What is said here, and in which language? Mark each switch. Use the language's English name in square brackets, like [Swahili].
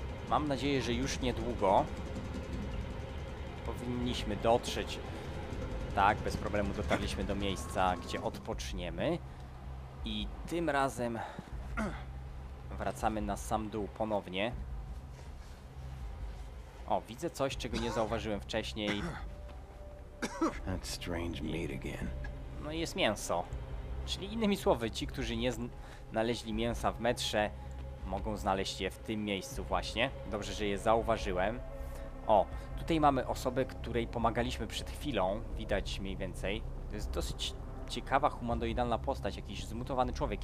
[Polish] Mam nadzieję, że już niedługo powinniśmy dotrzeć. Tak, bez problemu dotarliśmy do miejsca, gdzie odpoczniemy. I tym razem wracamy na sam dół ponownie. O, widzę coś, czego nie zauważyłem wcześniej. [English] That's strange meat again. [Polish] No i jest mięso. Czyli innymi słowy, ci, którzy nie znaleźli mięsa w metrze, mogą znaleźć je w tym miejscu właśnie. Dobrze, że je zauważyłem. O, tutaj mamy osobę, której pomagaliśmy przed chwilą, widać mniej więcej. To jest dosyć ciekawa, humanoidalna postać, jakiś zmutowany człowiek.